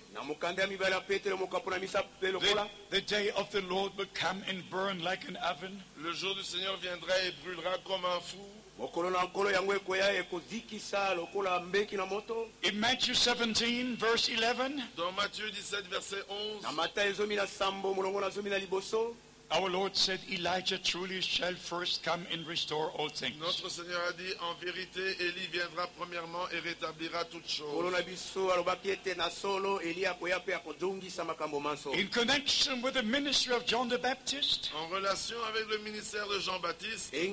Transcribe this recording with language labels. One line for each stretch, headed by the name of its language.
English: The day of the Lord will come and burn like an oven.
French: Le jour du Seigneur viendra et brûlera comme un fou.
English: In Matthew 17, verse 11,
French: dans Matthieu 17, verset 11,
English: our Lord said, Elijah truly shall first come and restore all things.
French: Notre Seigneur a dit, en vérité, Élie viendra premièrement et rétablira toutes choses.
English: In connection with the ministry of John the Baptist,
French: en relation avec le ministère de Jean-Baptiste,